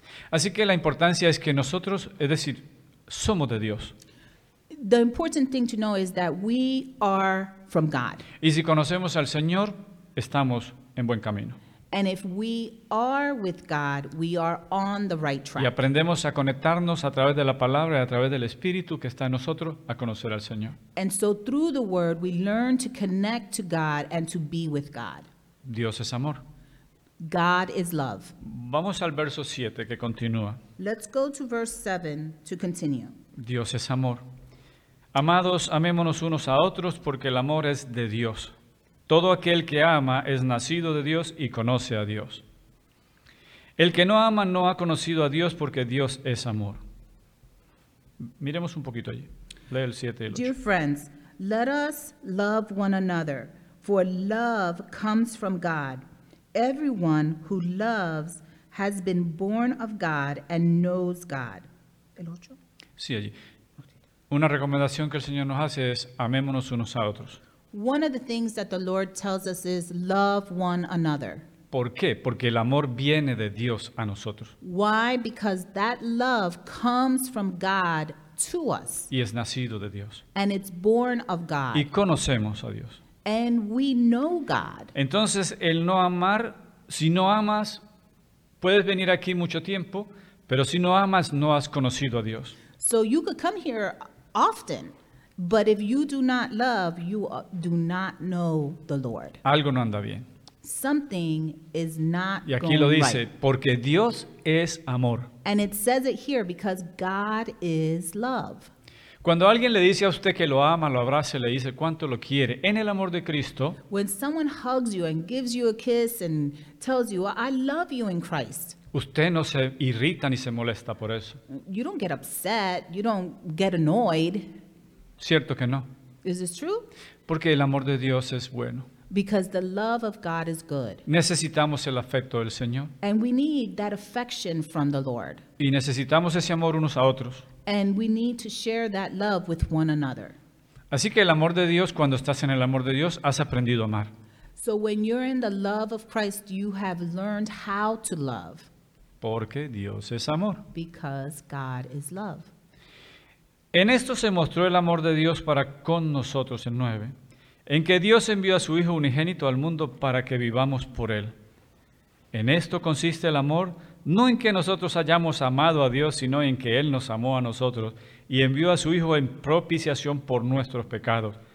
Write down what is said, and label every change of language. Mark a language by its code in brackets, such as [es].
[es] Así que la importancia es que nosotros, es decir, somos de Dios. [en] The important thing to know is that we are from God. [es] Y si conocemos al Señor, estamos en buen camino. [en] And if we are with God, we are on the right track. [es] Y aprendemos a conectarnos a través de la palabra y a través del Espíritu que está en nosotros a conocer al Señor. [en] And so through the word, we learn to connect to God and to be with God. [es] Dios es amor. [en] God is love. [es] Vamos al verso 7 que continúa. [en] Let's go to verse 7 to continue. [es] Dios es amor. Amados, amémonos unos a otros porque el amor es de Dios. Todo aquel que ama es nacido de Dios y conoce a Dios. El que no ama no ha conocido a Dios porque Dios es amor. Miremos un poquito allí. Lee el 7 y el 8. [en] Dear friends, let us love one another, for love comes from God. Everyone who loves has been born of God and knows God. [es] El 8. Sí, allí. Una recomendación que el Señor nos hace es amémonos unos a otros. [en] One of the things that the Lord tells us is love one another. [es] ¿Por qué? Porque el amor viene de Dios a nosotros. [en] Why? Because that love comes from God to us. [es] Y es nacido de Dios. [en] And it's born of God. [es] Y conocemos a Dios. [en] And we know God. [es] Entonces, el no amar, si no amas, puedes venir aquí mucho tiempo, pero si no amas, no has conocido a Dios. [en] So you could come here often. But if you do not love, you do not know the Lord. [es] Algo no anda bien. [en] Something is not going right. [es] Y aquí lo dice, porque Dios es amor. [en] And it says it here, because God is love. [es] Cuando alguien le dice a usted que lo ama, lo abraza, le dice cuánto lo quiere, en el amor de Cristo. [en] When someone hugs you and gives you a kiss and tells you, I love you in Christ. [es] Usted no se irrita ni se molesta por eso. [en] You don't get upset, you don't get annoyed. [es] Cierto que no. [en] Is this true? [es] Porque el amor de Dios es bueno. [en] Because the love of God is good. [es] Necesitamos el afecto del Señor. [en] And we need that affection from the Lord. [es] Y necesitamos ese amor unos a otros. [en] And we need to share that love with one another. [es] Así que el amor de Dios, cuando estás en el amor de Dios, has aprendido a amar. [en] So when you're in the love of Christ, you have learned how to love. [es] Porque Dios es amor. [en] Because God is love. [es] En esto se mostró el amor de Dios para con nosotros, el 9, en que Dios envió a su Hijo unigénito al mundo para que vivamos por Él. En esto consiste el amor, no en que nosotros hayamos amado a Dios, sino en que Él nos amó a nosotros y envió a su Hijo en propiciación por nuestros pecados.